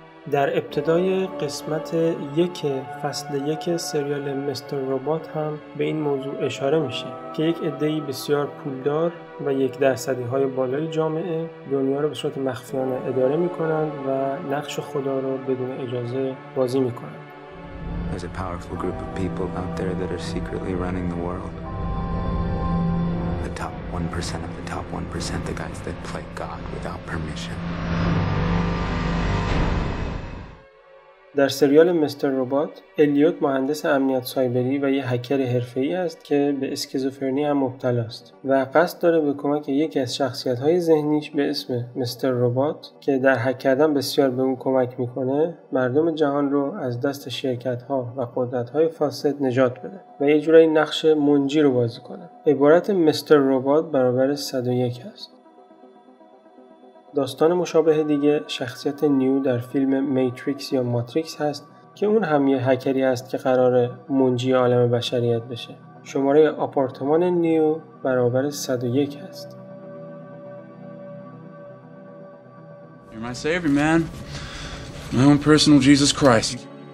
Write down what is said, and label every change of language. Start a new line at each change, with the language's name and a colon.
Persian: در ابتدای قسمت 1 فصل 1 سریال مستر روبات هم به این موضوع اشاره میشه که یک عده‌ای بسیار پولدار و 1%های بالای جامعه دنیا رو به صورت مخفیانه اداره میکنند و نقش خدا رو بدون اجازه بازی میکنند.
English: There's a powerful group of people out there that are secretly running the world. The top 1% of the top 1%, the guys that play God without permission.
Persian: در سریال مستر روبات، الیوت مهندس امنیت سایبری و یه هکر حرفه‌ای است که به اسکیزوفرنی هم مبتلا است و قصد داره به کمک یکی از شخصیت‌های ذهنیش به اسم مستر روبات که در هک کردن بسیار به اون کمک می‌کنه، مردم جهان رو از دست شرکت‌ها و قدرت‌های فاسد نجات بده و یه جورایی نقش منجی رو بازی کنه. عبارت مستر روبات برابر 101 است. داستان مشابه دیگه شخصیت نیو در فیلم میتریکس یا ماتریکس هست که اون هم یه هکری هست که قراره منجی عالم بشریت بشه. شماره آپارتمان نیو برابر 101 هست.
English: You're my savior, man. My own personal Jesus Christ.